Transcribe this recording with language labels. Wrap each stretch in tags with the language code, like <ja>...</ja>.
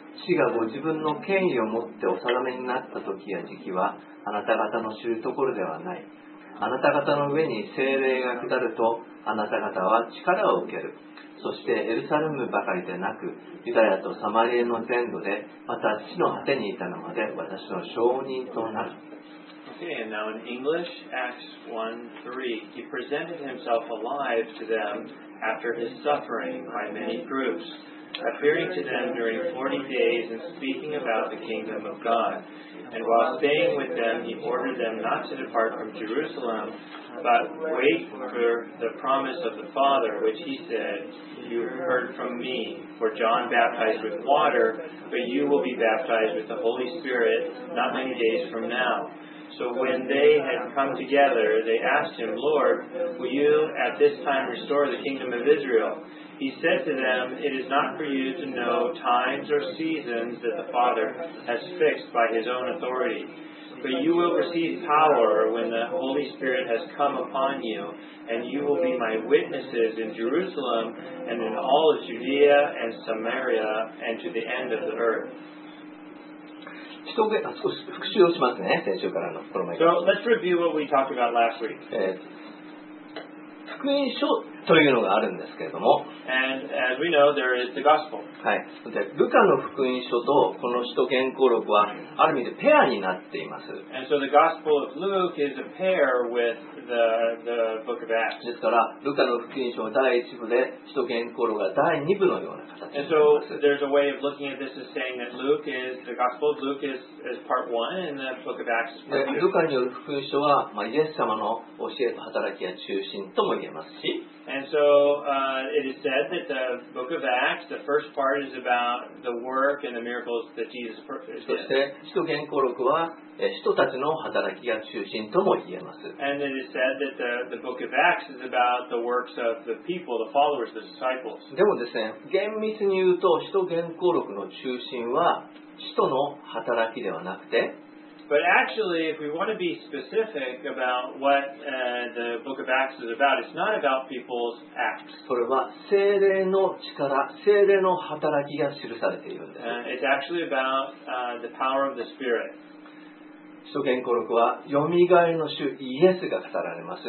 <ja>主がご自分の権威を持ってお定めになった時や時期は、あなた方の知るところではない。あなた方の上に聖霊が下ると、あなた方は力を受ける。そしてエルサレムばかりでなく、ユダヤとサマリエの全土で、また地の果てにいたのまで私の証人となる。</ja> <en>Okay, and now in English, Acts 1:3, he presented himself alive to them after his suffering by many proofs, appearing to them during 40 days and speaking about the kingdom of God. And while staying with them, he ordered them not to depart from Jerusalem, but wait for the promise of the Father, which he said, You heard from me, for John baptized with water, but you will be baptized with the Holy Spirit not many days from now. So when they had come together, they asked him, Lord, will you at this time restore the kingdom of Israel? He said to them, It is not for you to know times or seasons that the Father has fixed by his own authority. But you will receive power when the Holy Spirit has come upon you, and you will be my witnesses in Jerusalem and in all of Judea and Samaria and to the end of the earth.</en> <ja>少し復習をしますね、先週からのこの前に。</ja> <en>So, let's review what we talked about last week.</en> <ja>福音書というのがあるんですけれども。</ja> <en>And as we know, there is the gospel.</en> <ja>はい。で、ルカの福音書とこの使徒言行録は、ある意味でペアになっています。</ja> <en>And so the gospel of Luke is a pair with the book of Acts.</en> <ja>ですから、ルカの福音書は第1部で、使徒言行録が第2部のような形になります。</ja> <en>And so there's a way of looking at this as saying that Luke is, the gospel of Luke is part 1 and the book of Acts is part 2.</en> <ja>ルカによる福音書は、まあ、イエス様の教えと働きが中心とも言えますし、</ja> <en>And so it is said that the book of Acts, the first part is about the work and the miracles that Jesus performed.</en> <ja>そして使徒言行録は使徒たちの働きが中心とも言えます。</ja> <en>And it is said that the book of Acts is about the works of the people, the followers, the disciples.</en> <ja>でもですね、厳密に言うと使徒言行録の中心は使徒の働きではなくて、</ja> <en>But actually, if we want to be specific about what the book of Acts is about, it's not about people's acts.</en> <ja>それは聖霊の力、聖霊の働きが記されているんです。</ja> <en>It's actually about the power of the Spirit.</en> <ja>使徒言行録は、よみがえりの主イエスが語られます。</ja>